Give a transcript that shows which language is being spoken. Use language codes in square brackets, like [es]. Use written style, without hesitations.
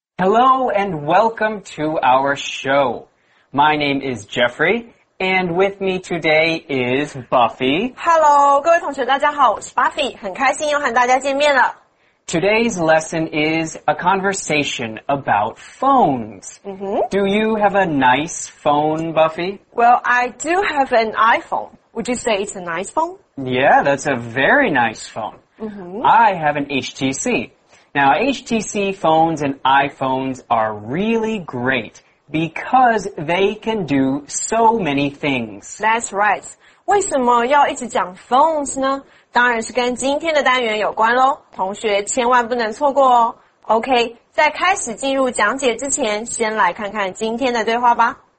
[en] Hello and welcome to our show. My name is Jeffrey, and with me today is Buffy. [zh] Hello, 各位同学大家好，我是 Buffy， 很开心又和大家见面了。 [en] Today's lesson is a conversation about phones. Mm-hmm. Do you have a nice phone, Buffy? Well, I do have an iPhone. Would you say it's a nice phone? Yeah, that's a very nice phone. Mm-hmm. I have an HTC. Now, HTC phones and iPhones are really great because they can do so many things. That's right. [zh] 为什么要一直讲 phones 呢？当然是跟今天的单元有关咯。同学千万不能错过哦。OK, 在开始进入讲解之前，先来看看今天的对话吧。